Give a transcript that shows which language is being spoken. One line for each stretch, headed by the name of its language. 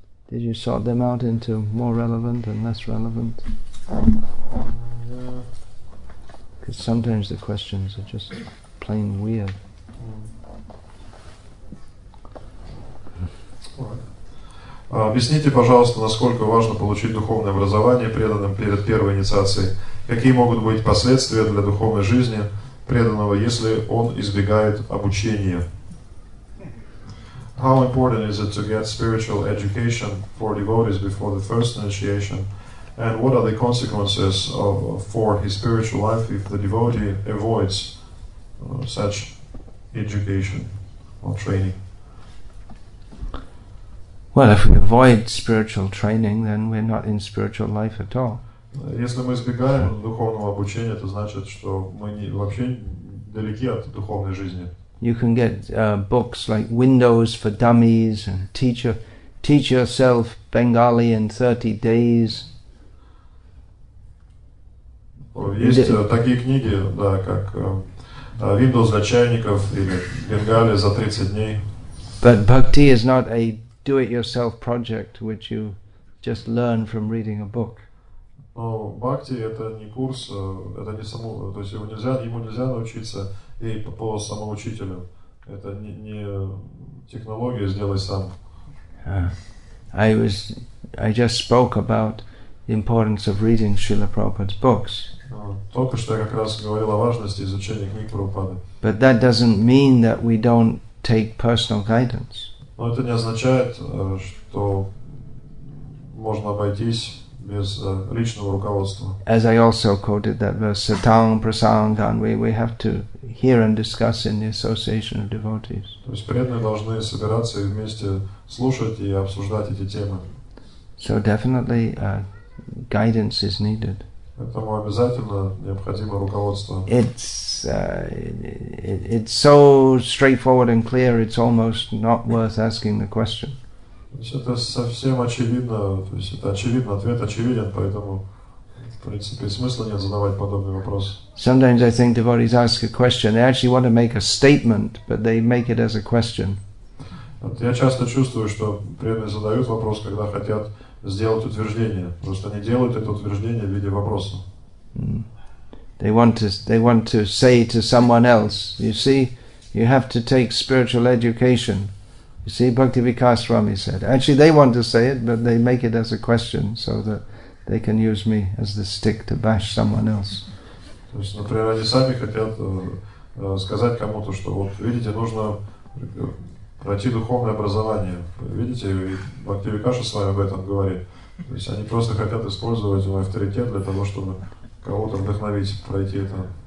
English: Did you sort them out into more relevant and less relevant? No. Because sometimes the questions are just plain weird.
Russian: Объясните, пожалуйста, насколько важно получить духовное образование преданным перед первой инициацией. Какие могут быть последствия для духовной жизни преданного, если он избегает обучения?
English: How important is it to get spiritual education for devotees before the first initiation? And what are the consequences of for his spiritual life if the devotee avoids such education or training? Well, if we avoid spiritual training, then we're not in spiritual life at all.
Russian: Если мы избегаем духовного обучения, это значит, что мы вообще далеки от духовной жизни.
English: You can get books like Windows for Dummies and teach yourself Bengali in 30 days.
Russian: Есть такие книги, да, как Windows для чайников или Бенгали за 30 дней.
English: But bhakti is not a do-it-yourself project, which you just learn from reading a book.
Russian: Но бхакти – это не курс, это не само, то есть ему нельзя научиться и по самоучителю. Это не технология «сделай сам».
English: I just spoke about the importance of reading Srila Prabhupada's books.
Russian: Только что я как раз говорил о важности изучения книг Прабхупады.
English: But that doesn't mean that we don't take personal guidance.
Russian: Но это не означает, что можно обойтись без личного руководства.
English: As I also quoted that verse, satang prasangan, we have to hear and discuss in the association of devotees.
Russian: То есть преданные должны собираться и вместе слушать и обсуждать эти темы.
English: So definitely guidance is needed.
Russian: Поэтому обязательно необходимо руководство.
English: It's so straightforward and clear, it's almost not worth asking the question.
Russian: То есть это совсем очевидно, то есть это очевидно, ответ очевиден, поэтому в принципе смысла нет задавать подобный вопрос.
English: Sometimes I think devotees ask a question. They actually want to make a statement, but they make it as a question.
Russian: Вот я часто чувствую, что преданные задают вопрос, когда хотят сделать утверждение. Просто они делают это утверждение в виде вопроса.
English: They want to say to someone else, you see, you have to take spiritual education. You see, Bhakti Vikas Swami said. Actually, they want to say it, but they make it as a question so that they can use me as the stick to bash someone else.
Russian: То есть, например, они сами хотят сказать кому-то, что вот видите, нужно пройти духовное образование. Видите, Бхакти Викаша с вами об этом говорит. То есть они просто хотят использовать мой авторитет для того, чтобы кого-то вдохновить пройти это.